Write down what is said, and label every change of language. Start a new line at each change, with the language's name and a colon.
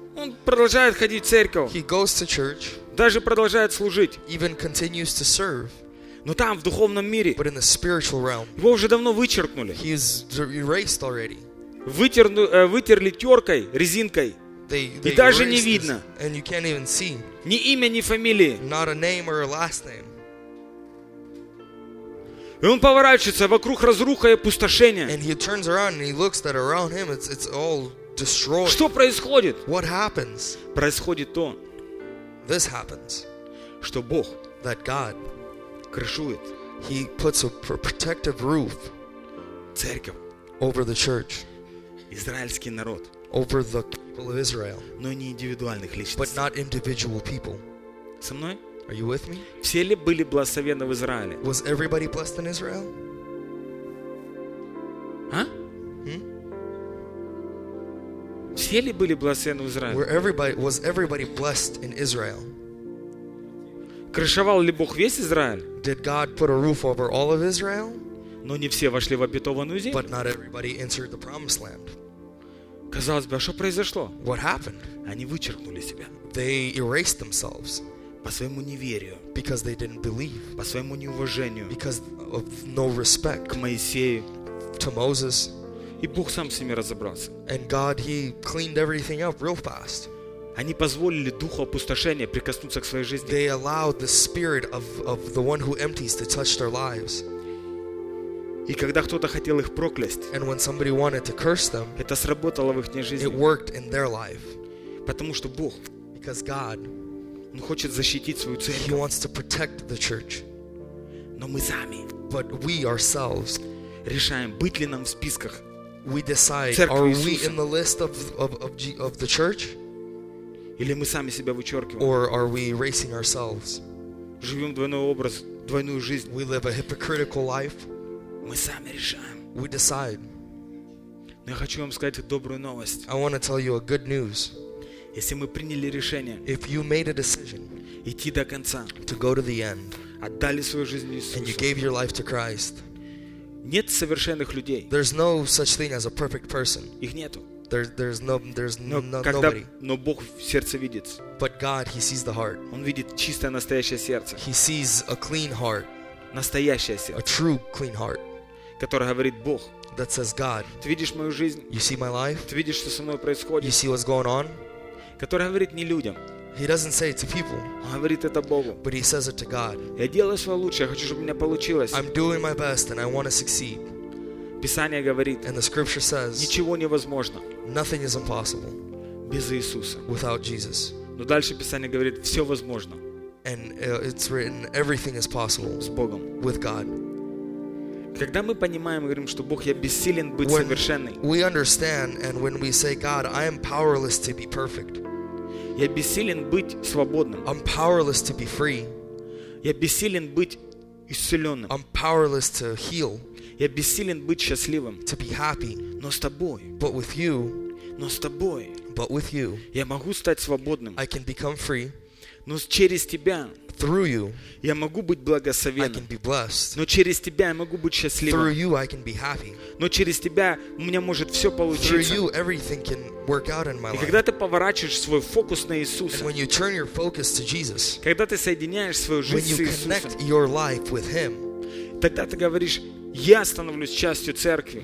Russian: он продолжает ходить в церковь,
English: he goes to church,
Russian: даже продолжает служить,
English: even continues to serve,
Russian: но там, в духовном мире,
English: but in the spiritual realm,
Russian: его уже давно вычеркнули,
English: he is erased already,
Russian: вытерли теркой, резинкой,
English: they
Russian: и даже не видно,
English: this, and you can't even see,
Russian: ни имя, ни фамилии,
English: not a name or a last name,
Russian: и он поворачивается, вокруг разруха и опустошение,
English: and he turns around and he looks that around him it's all destroyed,
Russian: что происходит,
English: what happens,
Russian: происходит то,
English: this happens,
Russian: что Бог,
English: that God,
Russian: крышует,
English: he puts a protective roof,
Russian: церковь,
English: over the church,
Russian: израильский народ,
English: over the people of Israel,
Russian: но не индивидуальных личностей,
English: but not individual people.
Russian: Со мной?
English: Are you with me?
Russian: Все ли были благословены в Израиле?
English: Was everybody blessed in Israel? А?
Russian: Все ли были благословены в Израиле?
English: Was everybody blessed in Israel?
Russian: Крышевал ли Бог весь Израиль?
English: Did God put a roof over all of Israel?
Russian: Но не все вошли в обетованную землю.
English: But not everybody entered the promised land.
Russian: Казалось бы, а что произошло?
English: What happened?
Russian: Они вычеркнули себя.
English: They erased themselves.
Russian: По своему неверию.
English: Because they didn't believe.
Russian: По своему неуважению.
English: Because of no respect.
Russian: К Моисею.
English: To Moses.
Russian: И Бог сам с ними разобрался.
English: And God, he cleaned everything up real fast.
Russian: Они позволили духу опустошения прикоснуться к своей жизни.
English: They allowed the spirit of the one who empties to touch their lives.
Russian: И когда кто-то хотел их проклясть,
English: and when somebody wanted to curse them,
Russian: это сработало в их жизни.
English: It worked in their life.
Russian: Потому что Бог,
English: because God,
Russian: он хочет защитить свою церковь.
English: He wants to protect the church.
Russian: Но мы сами,
English: but we ourselves,
Russian: решаем, быть ли нам в списках.
English: We decide, are we in the list of the church?
Russian: Или мы сами себя вычеркиваем?
English: Or are we erasing ourselves?
Russian: Живем двойной образ, двойную жизнь.
English: We live a hypocritical life.
Russian: Мы сами решаем.
English: We decide.
Russian: Но я хочу вам сказать добрую новость.
English: I want to tell you a good news.
Russian: Если мы приняли решение,
English: if you made a decision,
Russian: идти до конца,
English: to go to the end,
Russian: отдали свою жизнь Иисусу,
English: and you gave your life to Christ,
Russian: нет совершенных людей.
English: There's no such thing as a perfect person.
Russian: Их нету.
English: There's nobody.
Russian: Но Бог в сердце видит.
English: But God, he sees the heart.
Russian: Он видит чистое настоящее сердце.
English: He sees a clean heart.
Russian: Настоящее сердце.
English: A true clean heart.
Russian: Которое говорит Бог.
English: That says God.
Russian: Ты видишь мою жизнь?
English: You see my life?
Russian: Ты видишь, что со мной происходит?
English: You see what's going on?
Russian: Которое говорит не людям.
English: He doesn't say it to people.
Russian: Он говорит это Богу.
English: But he says it to God.
Russian: Я делаю свое лучшее. Я хочу, чтобы у меня получилось.
English: I'm doing my best and I want to succeed.
Russian: Писание говорит,
English: and the scripture says,
Russian: ничего невозможно.
English: Nothing is impossible.
Russian: Без Иисуса.
English: Without Jesus.
Russian: Но дальше Писание говорит, все возможно.
English: And it's written, everything is possible.
Russian: С Богом.
English: With God.
Russian: Когда мы понимаем и говорим, что Бог, я бессилен быть совершенным.
English: We understand, and when we say, God, I am powerless to be perfect.
Russian: Я бессилен быть свободным.
English: I'm powerless to be free.
Russian: Я бессилен быть исцеленным.
English: I'm powerless to heal.
Russian: Я бессилен быть счастливым.
English: To be happy.
Russian: Но с тобой.
English: But with you.
Russian: Но с тобой.
English: But with you.
Russian: Я могу стать свободным.
English: I can become free.
Russian: Но через тебя.
English: Through you.
Russian: Я могу быть благословенным.
English: I can be blessed.
Russian: Но через тебя я могу быть счастливым.
English: Through you I can be happy.
Russian: Но через тебя у меня может все получиться.
English: Through you everything can work out in my life.
Russian: И когда ты поворачиваешь свой фокус на Иисуса.
English: And when you turn your focus to Jesus.
Russian: Когда ты соединяешь свою жизнь с Иисусом.
English: When you connect your life with him.
Russian: Тогда ты говоришь, я становлюсь частью церкви.